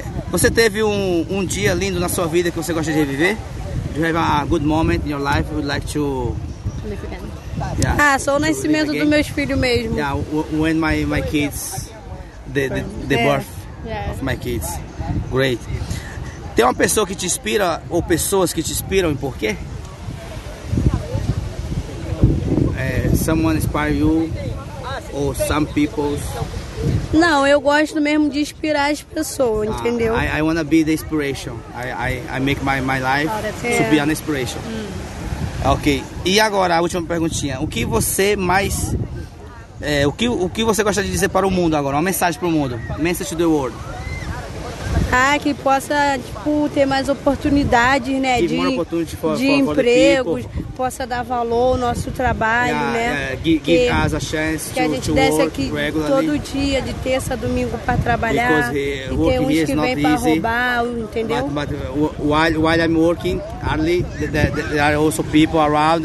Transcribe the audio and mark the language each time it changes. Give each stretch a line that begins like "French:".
Portuguese: Você teve um dia lindo na sua vida que você gosta de reviver?
English: You have a good moment in your life, would like to live again.
Portuguese: Yeah. Ah, só o nascimento dos meus filhos mesmo.
English: Yeah, when my kids, the birth of my kids. Great.
Portuguese: Tem uma pessoa que te inspira ou pessoas que te inspiram e por quê?
English: Someone inspire you or some people?
Portuguese: Não, eu gosto mesmo de inspirar as pessoas, entendeu?
English: I want to be the inspiration. I make my life to be an inspiration. Ok.
Portuguese: E agora, a última perguntinha. O que você mais... O que você gosta de dizer para o mundo agora? Uma mensagem para o mundo.
English: Message to the world.
Portuguese: Ah, que possa, tipo, ter mais oportunidades, né?
English: Give de more opportunity
Portuguese: de empregos. Possa dar valor ao nosso trabalho, né?
English: Give us a chance
Portuguese: que a gente desce aqui todo dia, de terça a domingo, para trabalhar.
English: Because,
Portuguese: e tem uns que vêm para roubar, entendeu?
English: But while I'm working, hardly, there are also people around.